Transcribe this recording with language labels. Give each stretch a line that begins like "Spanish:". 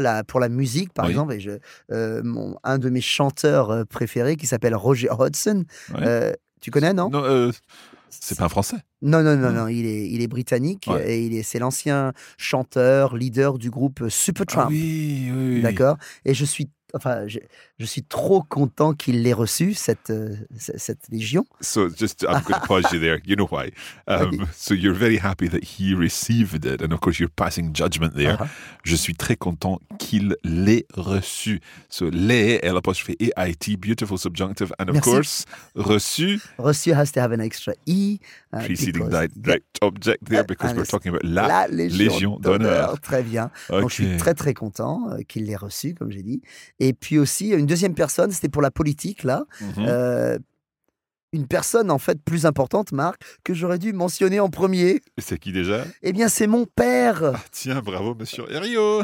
French: là pour la musique par exemple, et un de mes chanteurs préférés qui s'appelle Roger Hodgson, tu connais non? Non, c'est pas un français. Non, il est britannique et c'est l'ancien chanteur leader du groupe Supertramp. Oui. D'accord. Et je suis enfin, je suis trop content qu'il l'ait reçu cette légion.
English: So just, I'm going to pause you there. You know why? So you're very happy that he received it, and of course you're passing judgment there. Uh-huh.
French: Je suis très content qu'il l'ait reçu.
English: So l'ait, l'apostrophe A-I-T, beautiful subjunctive, and of
French: Merci.
English: Course reçu. Reçu has to have an extra e preceding direct object there because we're talking about
French: la légion d'honneur. Très bien. Okay. Donc je suis très très content qu'il l'ait reçu, comme j'ai dit. Et puis aussi, une deuxième personne, c'était pour la politique, là. Mm-hmm. Une personne, en fait, plus importante, Marc, que j'aurais dû mentionner en premier. C'est qui déjà ? Eh bien, c'est mon père. Ah, tiens, bravo, monsieur Herriot.